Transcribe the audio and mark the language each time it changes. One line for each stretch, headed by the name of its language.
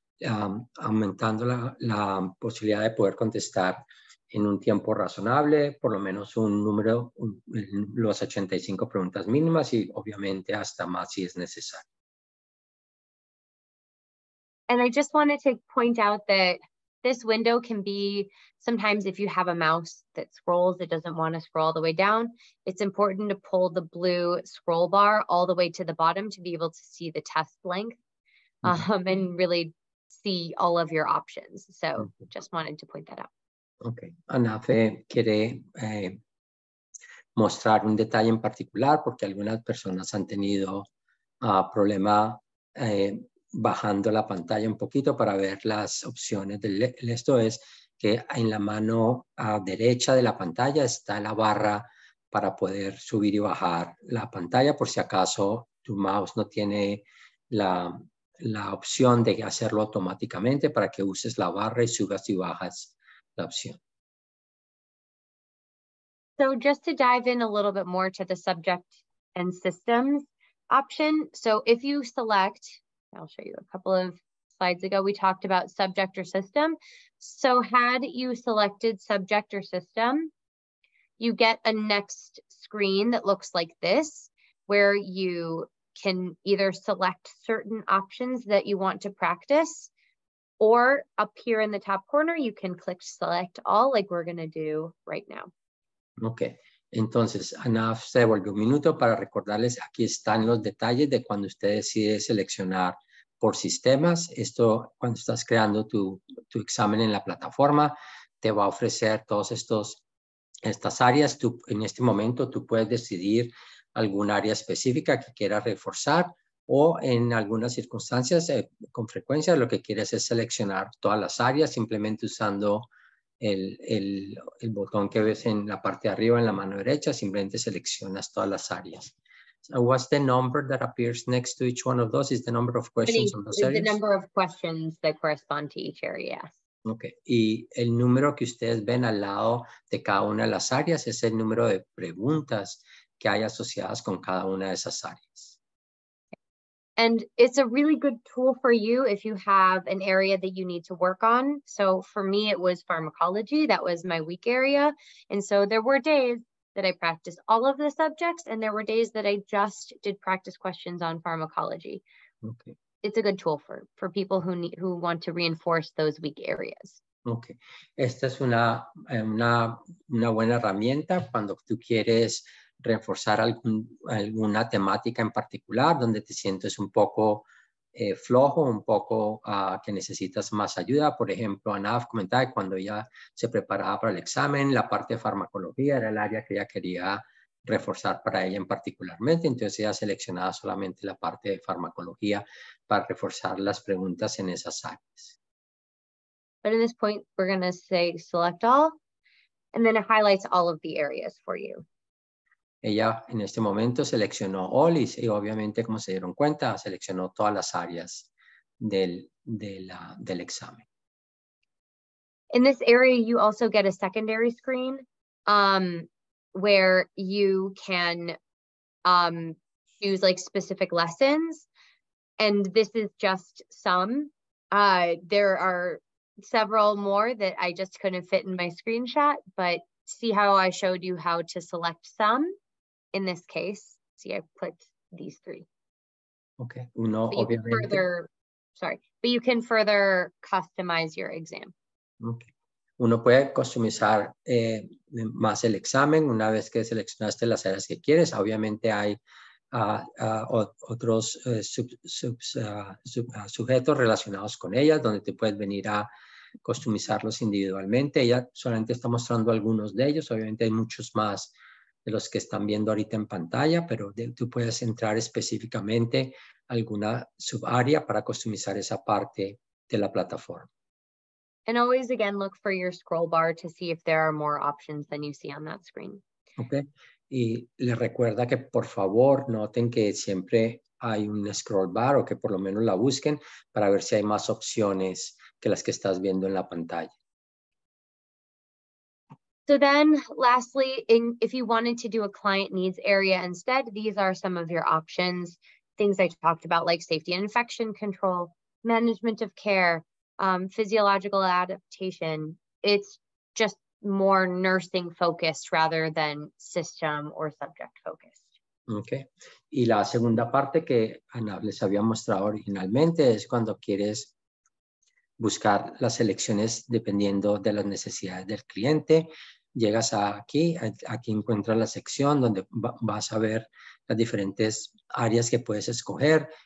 Spanish: aumentando la posibilidad de poder contestar en un tiempo razonable, por lo menos un número, las 85 preguntas mínimas y obviamente hasta más si es necesario.
English: And I just wanted to point out that this window can be, sometimes if you have a mouse that scrolls, it doesn't want to scroll all the way down, it's important to pull the blue scroll bar all the way to the bottom to be able to see the test length and really see all of your options. So just wanted to point that out. Okay.
Spanish: Anafe quiere mostrar un detalle en particular porque algunas personas han tenido problema bajando la pantalla un poquito para ver las opciones del esto es que en la mano derecha de la pantalla está la barra para poder subir y bajar la pantalla por si acaso tu mouse no tiene la opción de hacerlo automáticamente para que uses la barra y subas y bajas la opción.
English: So just to dive in a little bit more to the subject and systems option. So if you select, I'll show you a couple of slides ago, we talked about subject or system. So had you selected subject or system, you get a next screen that looks like this, where you can either select certain options that you want to practice, or up here in the top corner, you can click select all like we're gonna do right now.
Spanish: Okay, entonces Anaf se devolvió un minuto para recordarles, aquí están los detalles de cuando usted decide seleccionar por sistemas. Esto, cuando estás creando tu examen en la plataforma, te va a ofrecer todos estas áreas. Tú, en este momento, tú puedes decidir algún área específica que quieras reforzar o en algunas circunstancias, con frecuencia, lo que quieres es seleccionar todas las áreas simplemente usando el botón que ves en la parte de arriba, en la mano derecha, simplemente seleccionas todas las áreas.
English: So what's the number that appears next to each one of those? Is the number of questions on those areas? The number of questions that correspond to each area.
Spanish: Okay. Y el número que ustedes ven al lado de cada una de las áreas es el número de preguntas que hay asociadas con cada una de esas áreas.
English: And it's a really good tool for you if you have an area that you need to work on. So for me, it was pharmacology. That was my weak area. And so there were days that I practiced all of the subjects, and there were days that I just did practice questions on pharmacology. Okay. It's a good tool for people who want to reinforce those weak areas. Okay.
Spanish: Esta es una buena herramienta cuando tú quieres reforzar alguna temática en particular donde te sientes un poco flojo, un poco que necesitas más ayuda. Por ejemplo, Anaf comentaba que cuando ella se preparaba para el examen, la parte de farmacología era el área que ella quería reforzar para ella en particularmente. Entonces ella seleccionaba solamente la parte de farmacología para reforzar las preguntas en esas áreas.
English: But at this point, we're going to say select all, and then it highlights all of the areas for you.
Spanish: Ella en este momento seleccionó all y obviamente, como se dieron cuenta, seleccionó todas las áreas del examen.
English: In this area, you also get a secondary screen where you can choose like specific lessons. And this is just some. There are several more that I just couldn't fit in my screenshot, but see how I showed you how to select some? In this case, see, I clicked these three.
Spanish: Okay, uno, obviamente.
English: But you can further customize your exam.
Spanish: Okay, uno puede customizar más el examen una vez que seleccionaste las áreas que quieres. Obviamente hay otros sujetos relacionados con ellas donde te puedes venir a customizarlos individualmente. Ella solamente está mostrando algunos de ellos. Obviamente hay muchos más de los que están viendo ahorita en pantalla, pero tú puedes entrar específicamente a alguna subárea para customizar esa parte de la plataforma.
English: And always again look for your scroll bar to see if there are more options than you see on that screen. Okay.
Spanish: Y le recuerda que por favor noten que siempre hay un scroll bar o que por lo menos la busquen para ver si hay más opciones que las que estás viendo en la pantalla.
English: So then lastly, if you wanted to do a client needs area instead, these are some of your options. Things I talked about like safety and infection control, management of care, physiological adaptation. It's just more nursing focused rather than system or subject focused. Okay.
Spanish: Y la segunda parte que Ana les había mostrado originalmente es cuando quieres buscar las selecciones dependiendo de las necesidades del cliente. Llegas aquí encuentras la sección donde vas a ver las diferentes áreas que puedes escoger.